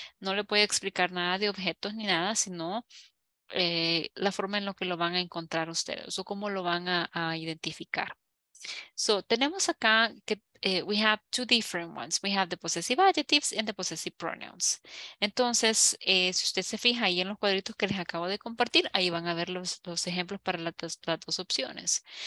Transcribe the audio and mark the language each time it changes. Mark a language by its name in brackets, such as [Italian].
[Spanish] No le voy a explicar nada de objetos ni nada, sino la forma en la que lo van a encontrar ustedes o cómo lo van a identificar. [English] So, [Spanish] tenemos acá que [English] we have two different ones. We have the possessive adjectives and the possessive pronouns. [Spanish] Entonces, si usted se fija ahí en los cuadritos que les acabo de compartir, ahí van a ver los ejemplos para las dos opciones.